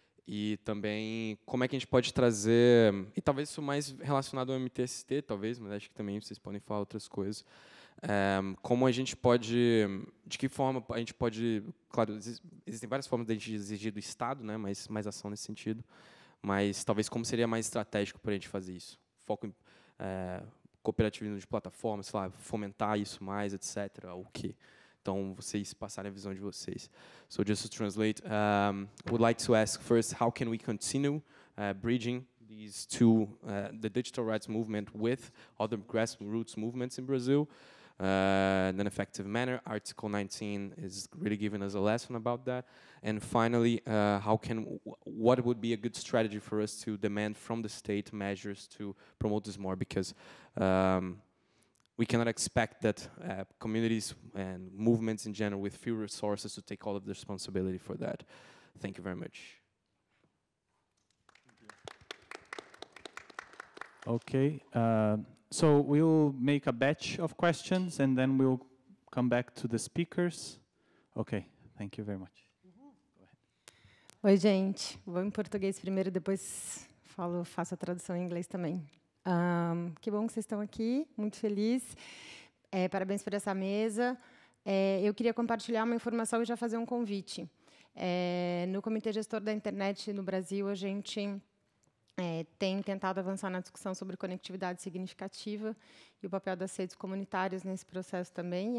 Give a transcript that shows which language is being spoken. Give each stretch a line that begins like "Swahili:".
Portuguese: E também como é que a gente pode trazer, e talvez isso mais relacionado ao MTST, talvez, mas acho que também vocês podem falar outras coisas, como a gente pode, de que forma a gente pode, claro, existem várias formas de a gente exigir do Estado, né, mas mais ação nesse sentido, mas talvez como seria mais estratégico para a gente fazer isso? Foco em cooperativismo de plataformas, sei lá, fomentar isso mais, etc., o quê? Então, vocês passarem a visão de vocês.
English: So, just to translate, would like to ask first, how can we continue bridging these two, the digital rights movement with other grassroots movements in Brazil in an effective manner? Article 19 is really giving us a lesson about that. And finally, what would be a good strategy for us to demand from the state measures to promote this more? Because we cannot expect that communities and movements in general with few resources to take all of the responsibility for that. Thank you very much. Okay, so we'll make a batch of questions and then we'll come back to the speakers. Okay, thank you very much. Uh-huh. Go ahead.
Portuguese: Oi, gente. Vou em português primeiro, depois faço a tradução em inglês também. Que bom que vocês estão aqui, muito feliz. Parabéns por essa mesa. Eu queria compartilhar uma informação e já fazer um convite. No Comitê Gestor da Internet no Brasil, a gente tem tentado avançar na discussão sobre conectividade significativa e o papel das redes comunitárias nesse processo também.